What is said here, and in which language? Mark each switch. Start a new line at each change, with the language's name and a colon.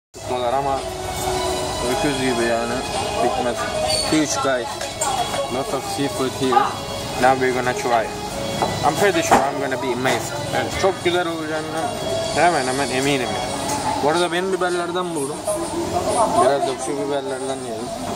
Turkish: var ama öküz gibi yani, bitmez.
English: Huge guys, lot of seafood here. Now we're gonna try. I'm pretty sure I'm gonna be amazed.
Turkish: Evet. Çok güzel olacağını hemen hemen eminim. Yani. Bu arada benim biberlerden buldum. Biraz da şu biberlerden yiyelim.